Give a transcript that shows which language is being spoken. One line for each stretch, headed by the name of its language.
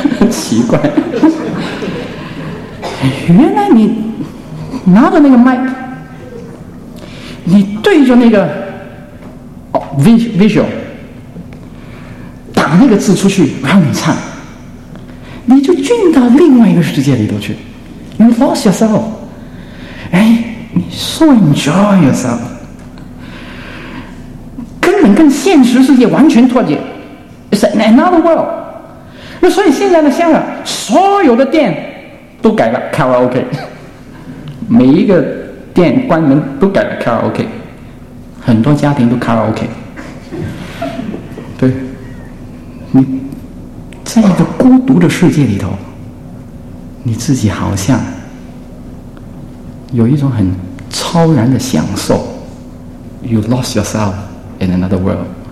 Chinese: 奇怪，原来你拿着那个麦，你对着那个、visual 打那个字出去，然后你唱，你就进到另外一个世界里头去。
English: You lost yourself，
Chinese: 哎，你
English: so enjoy yourself，
Chinese: 根本跟现实世界完全脱节，
English: It's another world。
Chinese: 那所以现在的香港所有的店都改了 karaoke， 每一个店关门都改了 karaoke， 很多家庭都 karaoke。对，你在一个孤独的世界里头，你自己好像有一种很超然的享受。
English: You lost yourself in another world.